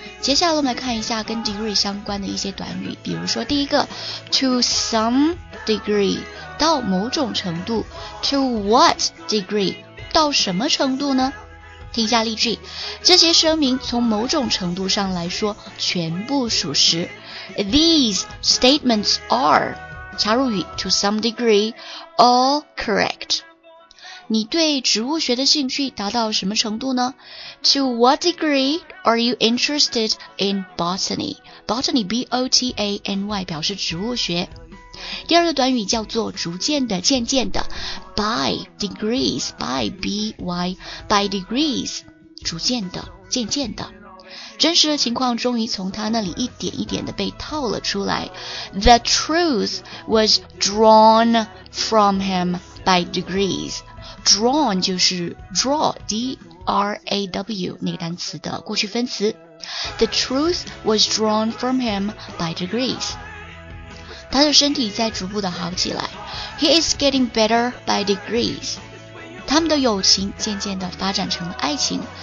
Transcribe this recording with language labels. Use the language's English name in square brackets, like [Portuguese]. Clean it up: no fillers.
[Chinese] 接下来我们来看一下跟 degree 相关的一些短语，比如说第一个 to some degree. 到某种程度 To what degree 到什么程度呢？听一下例句，这些声明从某种程度上来说全部属实。 [English] These statements are [Chinese] 加入语 [English] To some degree All correct. [Chinese] 你对植物学的兴趣达到什么程度呢？ [English] To what degree are you interested in botany? [Chinese] Botany B-O-T-A-N-Y 表示植物学。第二个短语叫做逐渐的、渐渐的 by degrees by by by degrees 逐渐的、渐渐的，真实的情况终于从他那里一点一点的被套了出来。 [English] The truth was drawn from him by degrees. [Chinese] Drawn 就是 draw D-R-A-W 那个单词的过去分词。 [English] The truth was drawn from him by degrees. [Chinese] 他的身体在逐步的好起来。 [English] He is getting better by degrees. [Chinese] 他们的友情渐渐的发展成了爱情。